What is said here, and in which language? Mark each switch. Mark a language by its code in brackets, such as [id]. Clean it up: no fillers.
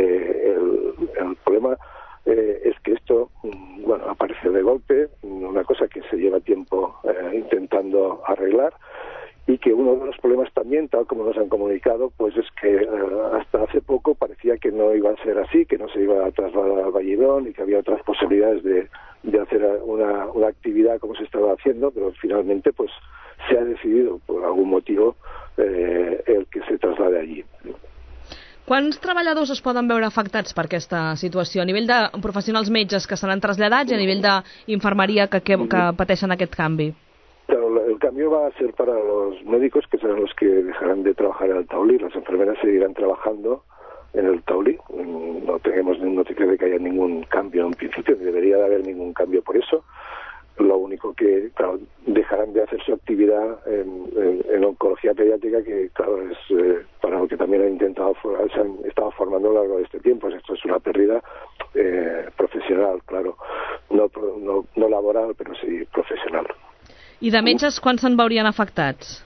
[es] El problema es que esto, bueno, aparece de golpe, una cosa que se lleva tiempo intentando arreglar, y que uno de los problemas también, tal como nos han comunicado, pues es que hasta hace poco parecía que no iba a ser así, que no se iba a trasladar al Vallidón y que había otras posibilidades de hacer una actividad como se estaba haciendo, pero finalmente pues se ha decidido por algún motivo el que se traslade allí. [ca] Quants treballadors es poden veure afectats per aquesta situació? A nivell de professionals metges que seran traslladats i a nivell d'infermeria que pateixen aquest canvi? [es] Claro, el cambio va a ser para los médicos, que serán los que dejarán de trabajar en el Taulí. Las enfermeras seguirán trabajando en el Taulí. No tenemos ni noticia de que haya ningún cambio en principio, ni debería de haber ningún cambio por eso. Lo único que, claro, dejarán de hacer su actividad en oncología pediátrica, que, claro, es para lo que también se han estado formando a lo largo de este tiempo. Esto es una pérdida profesional, claro. No laboral, pero sí profesional. [ca] I de metges, quan se'n veurien afectats?